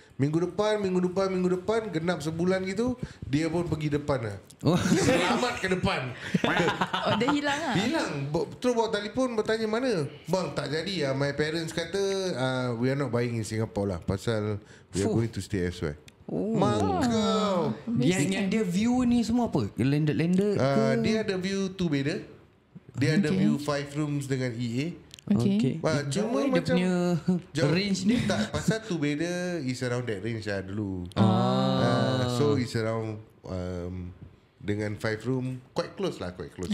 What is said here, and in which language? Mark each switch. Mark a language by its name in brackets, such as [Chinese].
[Malay] Minggu depan, minggu depan, minggu depan, genap sebulan gitu, dia pun pergi depan lah. Oh. Selamat ke depan. Oh, dia hilang lah? Hilang. Terus bawa telefon, bertanya mana. Bang, tak jadi lah. [English] My parents [Malay] kata, [English] we are not buying in Singapore lah. [Malay] Pasal, [English] we are going to stay elsewhere. Oh. [Malay] Maka yang ada view ni semua apa? Landed-landed ke? Dia ada view 2 bedder. Dia ada view 5 rooms dengan EA. [English] Okay. [Malay] Wah, cuma dia macam punya jauh, range ni tak. Pasal [English] 2 bedder is around that range [Malay] lah dulu. [English] So it's around [Malay] dengan [English] 5 room quite close lah, quite close.